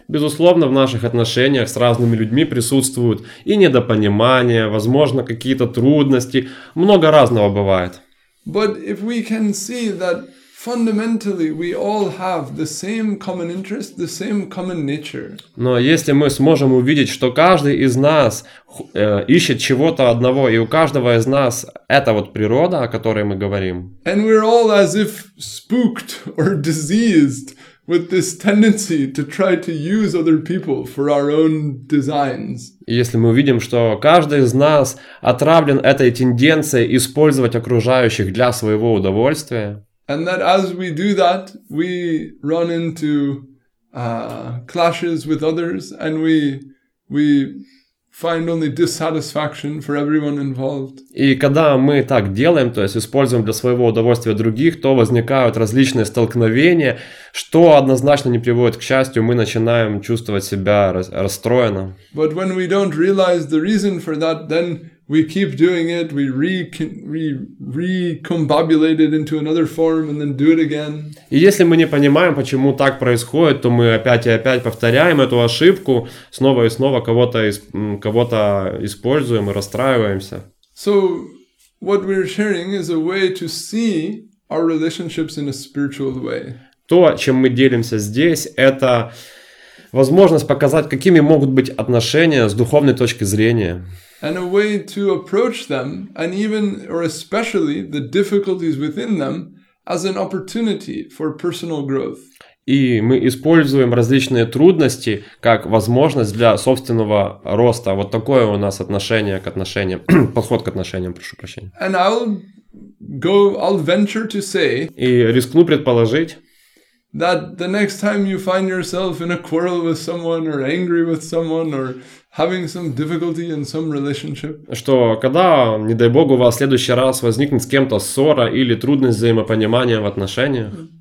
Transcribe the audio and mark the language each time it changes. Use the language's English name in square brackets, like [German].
[Russian] Безусловно, в наших отношениях с разными людьми присутствуют и недопонимания, возможно, какие-то трудности, много разного бывает. [English] But if we can see that fundamentally we all have the same common interest, the same common nature. [Russian] Но если мы сможем увидеть, что каждый из нас ищет чего-то одного, и у каждого из нас эта вот природа, о которой мы говорим. [English] And we're all as if spooked or diseased with this tendency to try to use other people for our own designs. [Russian] Если мы увидим, что каждый из нас отравлен этой тенденцией использовать окружающих для своего удовольствия. [English] And that as we do that, we run into clashes with others, and we find only dissatisfaction for everyone involved. [Russian] И когда мы так делаем, то есть используем для своего удовольствия других, то возникают различные столкновения, что однозначно не приводит к счастью, мы начинаем чувствовать себя расстроенно. [English] But when we don't realize the reason for that, then we keep doing it, we recombobulate it into another form and then do it again. [Russian] И если мы не понимаем, почему так происходит, то мы опять и опять повторяем эту ошибку, снова и снова кого-то используем и расстраиваемся. [English] So what we're sharing is a way to see our relationships in a spiritual way. [Russian] То, чем мы делимся здесь, это возможность показать, какими могут быть отношения с духовной точки зрения. [English] And a way to approach them, and even or especially the difficulties within them, as an opportunity for personal growth. [Russian] И мы используем различные трудности как возможность для собственного роста. Вот такое у нас отношение к отношениям, подход к отношениям, прошу прощения. [English] And I'll venture to say. [Russian] И рискну предположить. [English] That the next time you find yourself in a quarrel with someone or angry with someone or having some difficulty in some relationship. [Russian] Что когда, не дай бог, у вас в следующий раз возникнет с кем-то ссора или трудность взаимопонимания в отношениях.